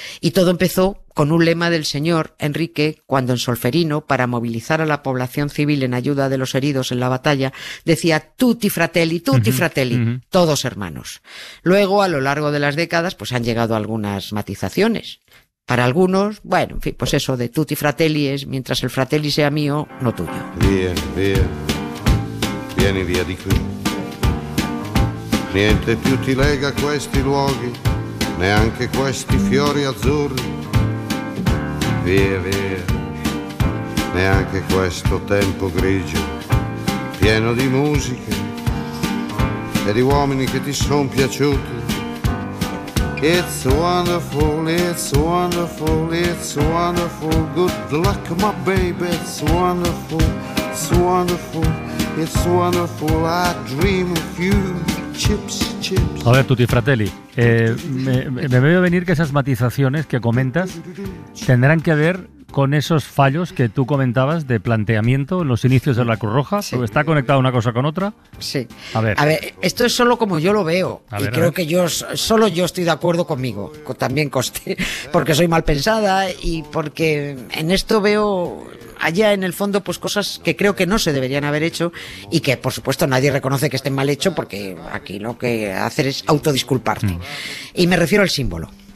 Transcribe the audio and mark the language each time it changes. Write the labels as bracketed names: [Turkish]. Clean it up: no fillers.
[Spanish] Y todo empezó con un lema del señor Enrique, cuando en Solferino, para movilizar a la población civil en ayuda de los heridos en la batalla, decía [Italian] tutti fratelli, tutti fratelli, [Spanish] todos hermanos. Luego, a lo largo de las décadas, pues han llegado algunas matizaciones. Para algunos, bueno, en fin, pues eso de [Italian] tutti fratelli [Spanish] es, mientras el fratelli sea mío, no tuyo. [Italian] Vieni, via, vieni via di qui. Niente più ti lega questi luoghi, neanche questi fiori azzurri. Via, via, neanche questo tempo grigio, pieno di musiche e di uomini che ti son piaciuti. [English] It's wonderful, it's wonderful, it's wonderful. Good luck, my baby, it's wonderful, it's wonderful, it's wonderful. I dream of you, chips, chips. [Spanish] A ver, [Italian] tutti fratelli, [Spanish] me veo venir que esas matizaciones que comentas tendrán que ver con esos fallos que tú comentabas de planteamiento en los inicios de la Cruz Roja. Sí. ¿Está conectada una cosa con otra? Sí. A ver, esto es solo como yo lo veo. Creo que solo yo estoy de acuerdo conmigo, también conste, porque soy mal pensada y porque en esto veo allá en el fondo pues cosas que creo que no se deberían haber hecho y que, por supuesto, nadie reconoce que estén mal hecho, porque aquí lo que hacer es autodisculparte. Y me refiero al símbolo.